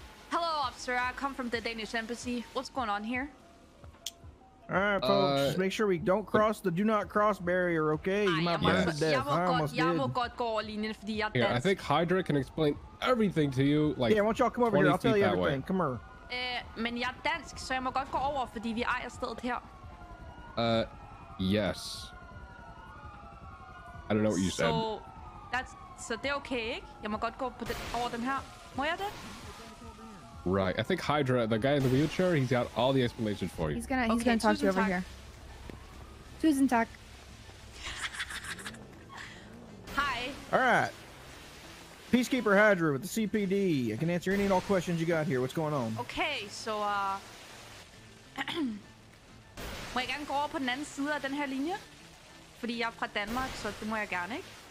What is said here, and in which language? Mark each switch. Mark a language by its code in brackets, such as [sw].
[en] Hello, officer. I come from the Danish embassy. What's going on here? All right, folks. Make sure we don't cross the do not cross barrier, okay? You might be almost dead. I almost did. I think Hydra can explain everything to you. Why don't y'all come over here? I'll tell you everything. Come here. [da] Men jeg dansk, så jeg må godt gå over, fordi vi ejer stedet her. [en] Yes. I don't know what you said. [da] Så det er okay, ikke? Jeg må godt gå på den, over den her. Må jeg det? [en] Right. I think Hydra, the guy in the wheelchair, he's got all the explanations for you. He's gonna talk to you over here. Susan Tuck. Hi. All right. Peacekeeper Hydra with the CPD. I can answer any and all questions you got here. What's going on? Okay, so, [da] må jeg gerne gå over på den anden side af den her linje? Fordi jeg fra Danmark, så det må jeg gerne, ikke?